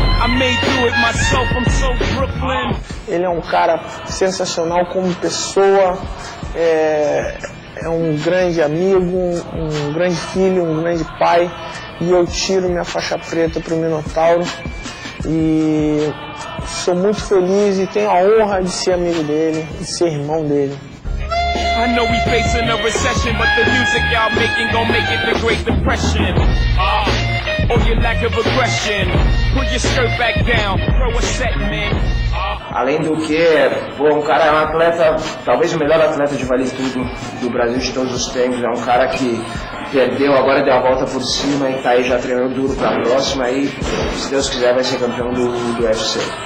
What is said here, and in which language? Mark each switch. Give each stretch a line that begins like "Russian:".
English: I made do it myself, I'm so Brooklyn.
Portuguese: Ele é um cara sensacional como pessoa. É um grande amigo, um grande filho, um grande pai. E eu tiro minha faixa preta pro Minotauro. E sou muito feliz e tenho a honra de ser amigo dele, de ser irmão dele.
English: I know we facing a recession, but the music y'all making gon' make it the Great Depression. Or your lack of aggression. Put your skirt back down, throw a set, man.
Portuguese: Além do que, pô, um cara é um atleta, talvez o melhor atleta de vale tudo do Brasil de todos os tempos. É um cara que perdeu, agora deu a volta por cima e tá aí já treinando duro pra próxima. E se Deus quiser, vai ser campeão do UFC.